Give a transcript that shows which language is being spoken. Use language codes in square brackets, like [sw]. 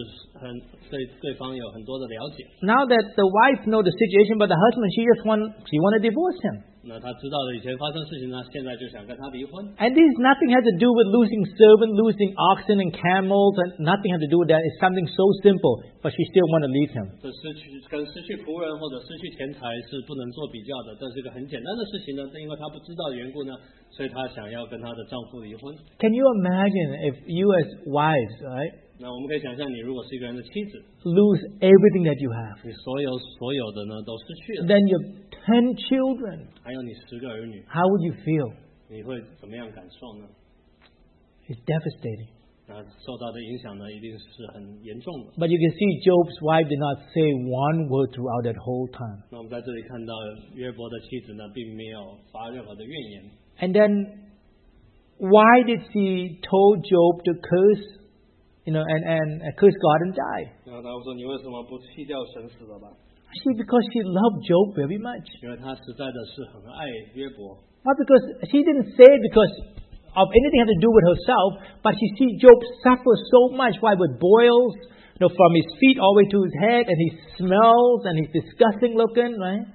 [zh] 那他们在结婚之前呢，并不是很对对方有很多的了解。 [en] Now that the wife knows the situation, but the husband, she wants to divorce him. [zh] 那他知道了以前发生事情呢，现在就想跟他离婚。 [en] And this nothing has to do with losing servant, losing oxen and camels, and nothing has to do with that. It's something so simple, but she still want to leave him. [zh] 这失去跟失去仆人或者失去钱财是不能做比较的，这是一个很简单的事情呢。但因为他不知道缘故呢，所以他想要跟他的丈夫离婚。 [en] Can you imagine if you as wives, right? [zh] 那我们可以想象，你如果是一个人的妻子， [en] lose everything that you have. [zh] 你所有的呢都失去了。 [en] Then you ten children. [zh] 还有你10个儿女。 [en] How would you feel? [zh] 你会怎么样感受呢？ [en] It's devastating. [zh] 那受到的影响呢，一定是很严重的。 [en] But you can see Job's wife did not say one word throughout that whole time. [zh] 那我们在这里看到约伯的妻子呢，并没有发任何的怨言。 [en] And then, why did she told Job to curse? You know, and curse God and die. [zh] 然后他说, [en] Because she loved Job very much. Not because she didn't say because of anything having to do with herself, but she sees Job suffer so much, why, with boils, you know, from his feet all the way to his head, and he smells, and he's disgusting looking, right?